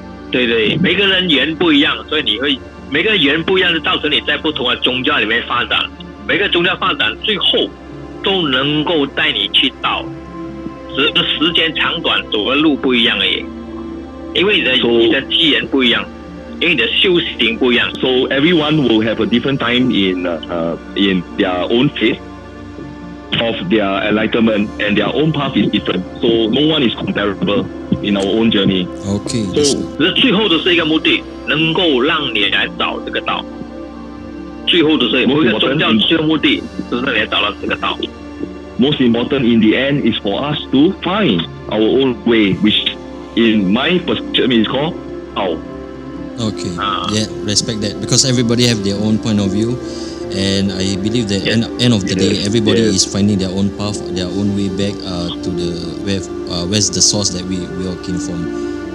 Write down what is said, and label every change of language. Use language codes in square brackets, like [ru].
[zh] 对，每个人缘不一样，所以你会每个缘不一样，造成你在不同的宗教里面发展。每个宗教发展最后都能够带你去到，只是时间长短，走的路不一样而已。因为你的机缘不一样。因为你的修行不一样 [en] ，so everyone will have a different time in their own faith of their enlightenment, and their own path is different. So no one is comparable in our own journey. Okay. [zh] So 这最后的是一个目的，能够让你来找这个道。最后的是某一个宗教最后目的，就是你来找到这个道。 [en] Most important in the end is for us to find our own way, which in my perspective is called out. Okay, yeah, respect that. Because everybody have their own point of view. And I believe that end of the day, everybody is finding their own path, their own way back to where's the source that we all came from.